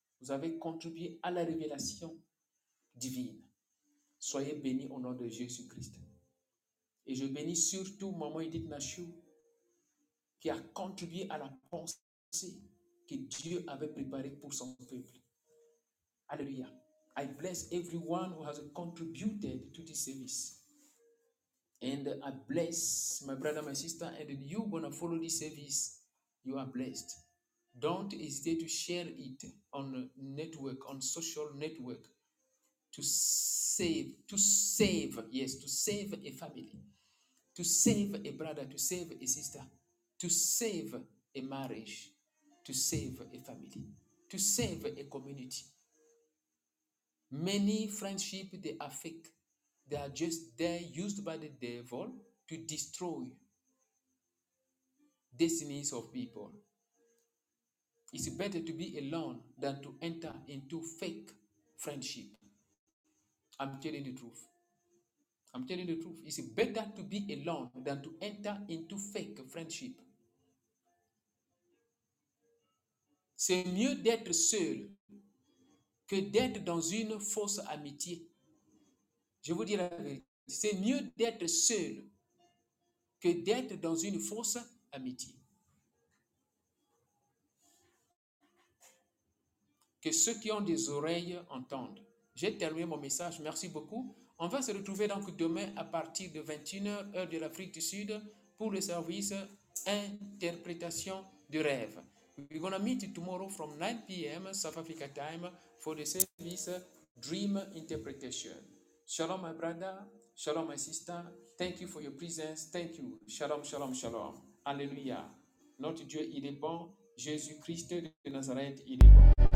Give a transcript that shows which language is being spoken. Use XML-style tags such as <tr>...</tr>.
<fr>Vous avez contribué à la révélation divine. Soyez bénis au nom de Jésus-Christ. Et je bénis surtout Maman Edith Nachu qui a contribué à la pensée que Dieu avait préparée pour son peuple. Alléluia.</fr> <en>I bless everyone who has contributed to this service. And I bless my brother, my sister, and you gonna follow this service. You are blessed. Don't hesitate to share it on network, on social network, to save a family, to save a brother, to save a sister, to save a marriage, to save a family, to save a community. Many friendships they affect. They are just there, used by the devil to destroy destinies of people. It's better to be alone than to enter into fake friendship. I'm telling the truth. I'm telling the truth. It's better to be alone than to enter into fake friendship.</en> <fr>C'est mieux d'être seul que d'être dans une fausse amitié. Je vous dis la vérité, c'est mieux d'être seul que d'être dans une fausse amitié. Que ceux qui ont des oreilles entendent. J'ai terminé mon message, merci beaucoup. On va se retrouver donc demain à partir de 21h, heure de l'Afrique du Sud, pour le service Interprétation du rêve.</fr> <en>We're going to meet tomorrow from 9 p.m. South Africa time for the service Dream Interpretation. Shalom, my brother. Shalom, my sister. Thank you for your presence. Thank you.</en> <fr>Shalom, shalom, shalom. Alléluia. Notre Dieu, il est bon. Jésus-Christ de Nazareth, il est bon.</fr>